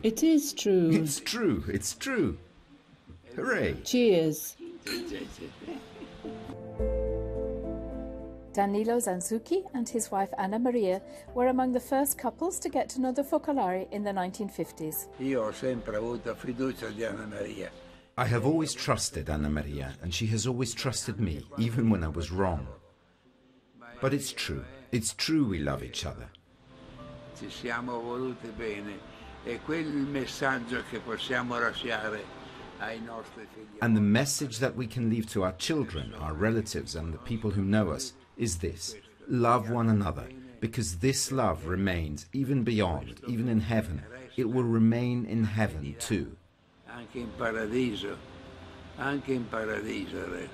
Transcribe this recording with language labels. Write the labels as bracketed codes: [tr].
[en] It is true. It's true, it's true. Hooray. Cheers. Danilo Zanzucchi and his wife Anna Maria were among the first couples to get to know the Focolare in the 1950s. [it] Io ho sempre avuto fiducia di Anna Maria. [en] I have always trusted Anna Maria, and she has always trusted me, even when I was wrong. But it's true. It's true we love each other. [it] Ci siamo voluti bene. E quel messaggio che possiamo lasciare ai nostri figli. [en] And the message that we can leave to our children, our relatives, and the people who know us is this: love one another, because this love remains even beyond, even in heaven. It will remain in heaven too. [it] Anche in paradiso. Anche in paradiso.